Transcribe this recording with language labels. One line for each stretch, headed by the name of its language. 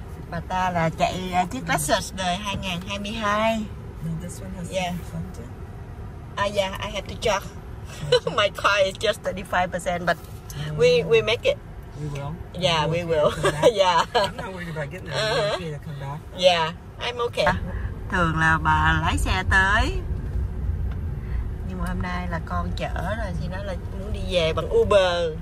Vietnamese: Bà ta là chạy chiếc Lexus đời 2022.
English: This one has I have to check. My car is just 35%, but we make it. We will. Yeah, we will. Yeah. I'm not worried about getting there. Uh-huh. I'm okay.
Vietnamese: Thường là bà lái xe tới, nhưng mà hôm nay là con chở rồi, thì nó là muốn đi về bằng Uber.